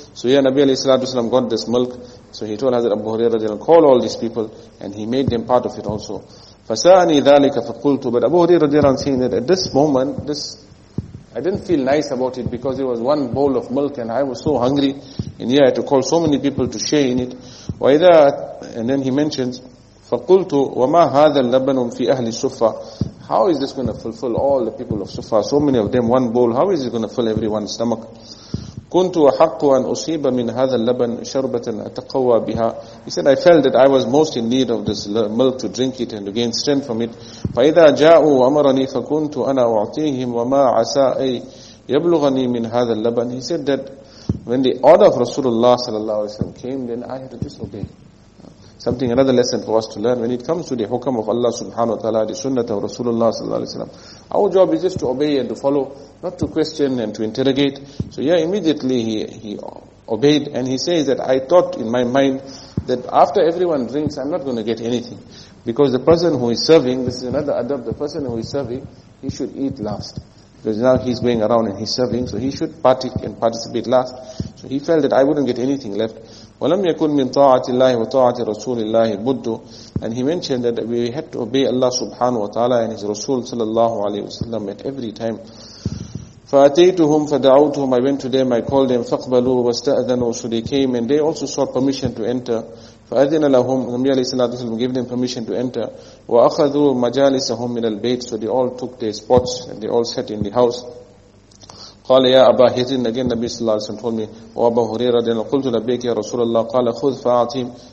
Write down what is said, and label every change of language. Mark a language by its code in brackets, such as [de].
[en] So here, Nabi alayhi salatu wasallam got this milk. So he told Hazrat Abu Huraira, call all these people, and he made them part of it also. [ar] Fasani dhalika faqultu. [en] But Abu Huraira radiallahu anhu saying that at this moment, I didn't feel nice about it because it was one bowl of milk and I was so hungry. And yeah, I had to call so many people to share in it. [ar] وَإِذَا, [en] and then he mentions, [ar] فَقُلْتُ وَمَا هَذَا اللَّبَنُمْ فِي أَهْلِ السُّفَّةِ. [en] How is this going to fulfill all the people of Sufa? So many of them, one bowl. How is it going to fill everyone's stomach? [ar] كُنْتُ أَحَقُّ أَنْ أُصِيبَ مِنْ هَذَا اللَّبَنُ شَرْبَةً أَتَقَوَّى بِهَا. [en] He said, I felt that I was most in need of this milk to drink it and to gain strength from it. [ar] فَإِذَا جَاءُوا وَأَمَرَنِي فَكُنْتُ أَنَا أُعْطِيهِمْ وَمَا عَسَى أَيْ يَبْلُغَنِي مِنْ هَذَا اللَّبَنُ. [en] He said that When the order of Rasulullah sallallahu alaihi wasallam came, then I had to disobey. Something, another lesson for us to learn. When it comes to the hukam of Allah subhanahu wa ta'ala, the sunnah of Rasulullah sallallahu alaihi wasallam, our job is just to obey and to follow, not to question and to interrogate. So yeah, immediately he obeyed, and he says that I thought in my mind that after everyone drinks, I'm not going to get anything. Because the person who is serving, this is another adab, the person who is serving, he should eat last. Because now he's going around and he's serving, so he should participate last. So he felt that I wouldn't get anything left. [ar] وَلَمْ يَكُنْ مِنْ طَاعَةِ اللَّهِ وَطَاعَةِ رَسُولِ اللَّهِ بُدُّ. [en] And he mentioned that we had to obey Allah subhanahu wa ta'ala and his Rasul sallallahu alayhi wa sallam at every time. [ar] فَأَتَيْتُهُمْ فَدَعَوْتُهُمْ. [en] I went to them, I called them, [ar] فَقْبَلُوا وَاسْتَأْذَنُوا. [en] So they came and they also sought permission to enter. [ar] فَأَذِنَ لَهُمْ. [en] Nabi alayhi sallallahu alayhi wa sallam gave them permission to enter. [ar] وَأَخَذُوا مَجَالِسَهُمْ مِنَ الْبَيْتِ. [en] So they all took their spots and they all sat in the house. [ar] قال يا أبا هريرة. [en] Again Nabi sallallahu alayhi wa sallam told me, [ar] وَأَبَا هُرَيْرَةَ رَضِيَ اللَّهُ عَنْهُ قُلْتُ لَبَّيْكَ يَا رَسُولَ اللَّهِ قَالَ خُذْ فَأَعْطِهِمْ.